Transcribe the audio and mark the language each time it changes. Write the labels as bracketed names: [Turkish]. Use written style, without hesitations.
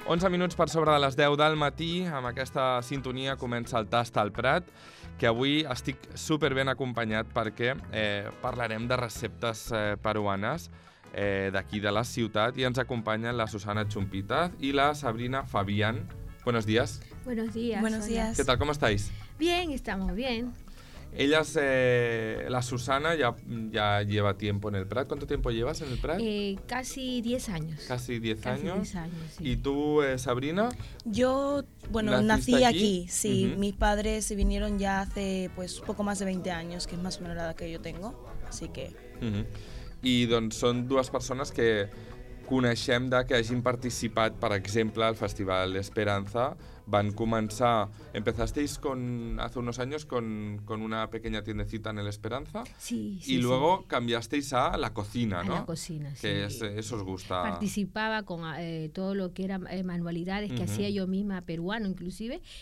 [Catalan] Minuts per sobre de les 10 del matí, amb aquesta sintonia comença el Tast al Prat, que avui estic super ben acompanyat perquè parlarem de receptes peruanes d'aquí de la ciutat i ens acompanyen la Susana Chumpita i la Sabrina Fabián. [Spanish] Buenos días. Buenos días. Buenos días. ¿Qué tal, cómo estáis? Bien, estamos bien. Ellas, la Susana ya lleva tiempo en el Prat. ¿Cuánto tiempo llevas en el Prat? Casi 10 años. Casi 10 años. Casi 10 años, sí. ¿Y tú, Sabrina? Yo, bueno, nací aquí, sí. Uh-huh. Mis padres se vinieron ya hace pues poco más de 20 años, que es más o menos la edad que yo tengo, así que... Uh-huh. [Catalan] I doncs són dues persones que coneixem de que hagin participat, per exemple, al Festival Esperanza. Van començar... [Spanish] Empezasteis con, hace unos años con una pequeña tiendecita en el Esperanza. Sí, sí. Y luego sí. Cambiasteis a la cocina, ¿no? A la cocina, que sí. Que es, eso os gusta. Participaba con todo lo que era manualidades que uh-huh. hacía yo misma, peruano inclusive.